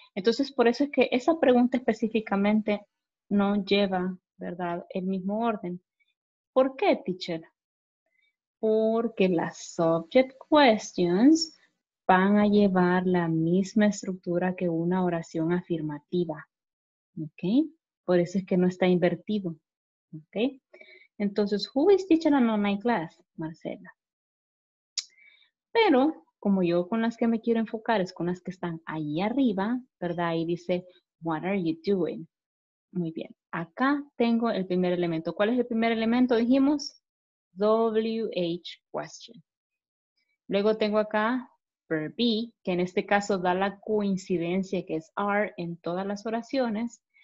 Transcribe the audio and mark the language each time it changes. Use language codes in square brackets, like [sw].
[es] Entonces, por eso es que esa pregunta específicamente no lleva, ¿verdad?, el mismo orden. ¿Por qué, teacher? Porque las subject questions van a llevar la misma estructura que una oración afirmativa. Okay. Por eso es que no está invertido, ¿ok? [en] Entonces, who is teaching an online class, Marcela? Pero, [es] como yo con las que me quiero enfocar es con las que están ahí arriba, ¿verdad? Ahí dice, [en] what are you doing? [es] Muy bien. Acá tengo el primer elemento. ¿Cuál es el primer elemento? Dijimos WH question. Luego tengo acá verb be, que en este caso da la coincidencia que es are en todas las oraciones.